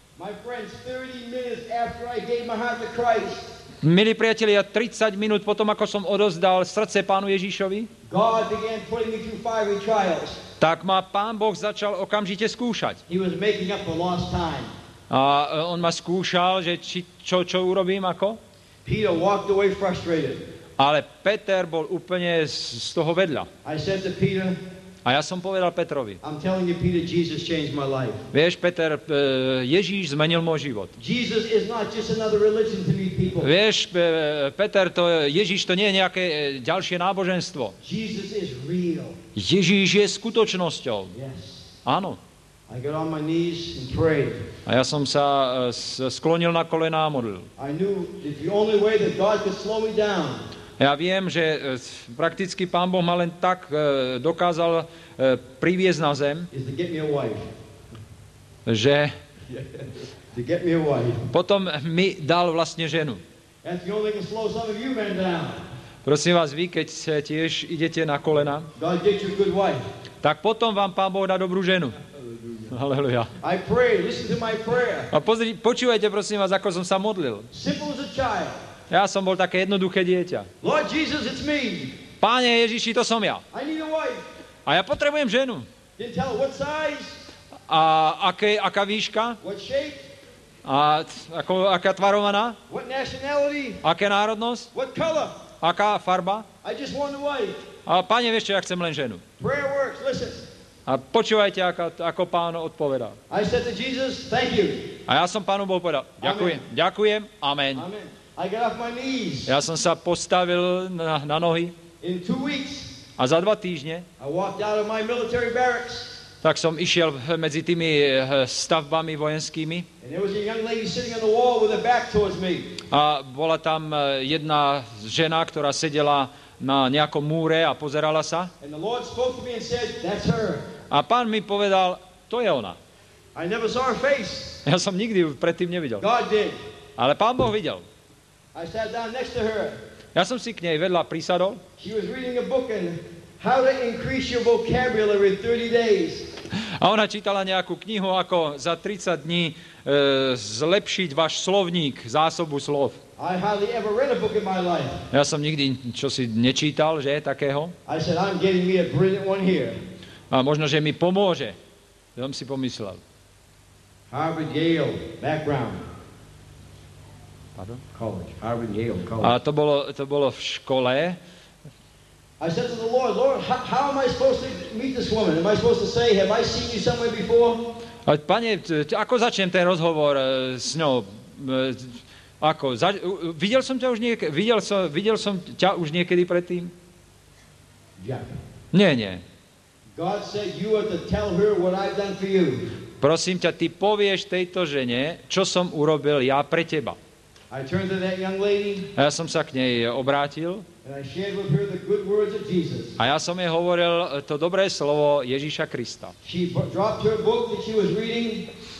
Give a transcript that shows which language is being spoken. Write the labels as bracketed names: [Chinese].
[English] My friends, 30 minutes after I gave my heart to Christ. [Slovak] Milí priatelia, 30 minút potom, ako som odozdal srdce Pánu Ježišovi, [English] God began putting me through fiery trials. [Slovak] Tak ma Pán Boh začal okamžite skúšať. [English] He was making up for lost time. [Slovak] A on ma skúšal, že čo urobím, ako? [English] Peter walked away frustrated. [Slovak] Ale Peter bol úplne z toho vedľa. [English] I said to Peter, [Slovak] a ja som povedal Petrovi. [English] I'm telling you, Peter, Jesus changed my life. [Slovak] Vieš, Peter, Ježíš zmenil môj život. [English] Jesus is not just another religion to me, people. [Slovak] Vieš, Peter, to Ježíš to nie je nejaké ďalšie náboženstvo. [English] Jesus is real. [Slovak] Ježíš je skutočnosťou. [English] Yes. [Slovak] Áno. [English] I got on my knees and prayed. [Slovak] A ja som sa sklonil na kolená a modlil. [English] I knew that the only way that God could slow me down. [Slovak] Ja viem, že prakticky Pán Boh ma len tak dokázal priviesť na zem, [English] is to get me a wife. [Slovak] Že [English] to get me a wife. [Slovak] Potom mi dal vlastne ženu. [English] That's the only way to slow some of you men down. [Slovak] Prosím vás, vy, keď tiež idete na kolena, [English] God get you a good wife. [Slovak] Tak potom vám Pán Boh dá dobrú ženu. Aleluja. [English] I pray, listen to my prayer. [Slovak] A počúvajte, prosím vás, ako som sa modlil. [English] Simple as a child. [Slovak] Ja som bol také jednoduché dieťa. [English] Lord Jesus, it's me. [Slovak] Páne Ježiši, to som ja. [English] I need a wife. [Slovak] A ja potrebujem ženu. [English] Didn't tell what size. [Slovak] A aká výška? [English] What shape? [Slovak] A aká tvarovaná? [English] What nationality? [Slovak] Aká národnosť? [English] What color? [Slovak] Aká farba? [English] I just want a wife. [Slovak] A páne, vieš čo, ja chcem len ženu. [English] Prayer works, listen. [Slovak] A počúvajte, ako Pán odpovedá. [English] I said to Jesus, thank you. [Slovak] A ja som Pánu Bohu povedal, ďakujem, amen. Ďakujem, amen. [English] Amen. I got off my knees. [Slovak] Ja som sa postavil na nohy. [English] In 2 weeks, [Slovak] a za 2 týždne [English] I walked out of my military barracks. [Slovak] Tak som išiel medzi tými stavbami vojenskými. [English] And there was a young lady sitting on the wall with her back towards me. [Slovak] A bola tam jedna žena, ktorá sedela na nejakom múre a pozerala sa. [English] And the Lord spoke to me and said, that's her. [Slovak] A Pán mi povedal, to je ona. [English] I never saw her face. [Slovak] Ja som nikdy predtým nevidel. [English] God did. [Slovak] Ale Pán Boh videl. [English] I sat down next to her. [Slovak] Ja som si k nej vedľa prisadol. [English] She was reading a book and how to increase your vocabulary in 30 days. [Slovak] A ona čítala nejakú knihu, ako za 30 dní zlepšiť váš slovník, zásobu slov. [English] I hardly ever read a book in my life. [Slovak] Ja som nikdy čosi nečítal, že takého. [English] I said, I'm getting me a brilliant one here. [Slovak] A možno, že mi pomôže. Som si pomyslel. [English] Harvard, Yale, background. [Slovak] Pardon? [English] College. Harvard, Yale, college. [Slovak] A to bolo v škole. [English] I said to the Lord, how am I supposed to meet this woman? Am I supposed to say, have I seen you somewhere before? [Slovak] A Pane, ako začnem ten rozhovor s ňou? Ako? Videl som ťa už niekedy? Videl som ťa už niekedy predtým? [English] Yeah. [Slovak] Nie, nie. [English] God said you are to tell her what I've done for you. [Slovak] Prosím ťa, ty povieš tejto žene, čo som urobil ja pre teba. [English] I turned to that young lady. [Slovak] A ja som sa k nej obrátil. [English] And I shared with her the good words of Jesus. [Slovak] A ja som jej hovoril to dobré slovo Ježíša Krista. [English] She dropped her book that she was reading.